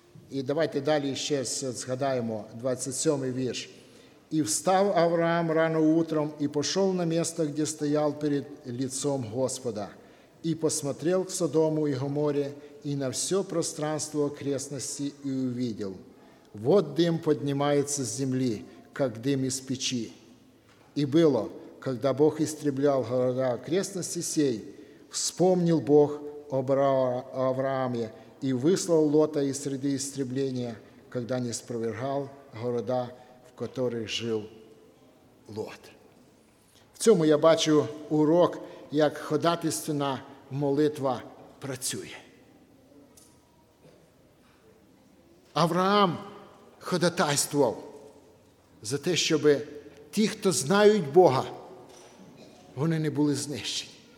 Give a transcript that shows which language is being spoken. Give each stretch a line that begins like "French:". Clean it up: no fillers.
Ukrainian: І давайте далі ще згадаємо 27-й вірш.
Russian: «І встав Авраам рано утром і пішов на місце, де стояв перед лицом Господа, і посмотрел к Содому і Гоморре, і на все пространство окрестності, і увидел. Вот дым поднимается с земли, как дым из печи. И было, когда Бог истреблял города окрестности сей, вспомнил Бог об Аврааме и выслал Лота из среды истребления, когда не спровергал города, в которых жил Лот».
Ukrainian: В цьому я бачу урок, як ходатайственна молитва працює. Авраам ходатайствував за те, щоб ті, хто знають Бога, вони не були знищені.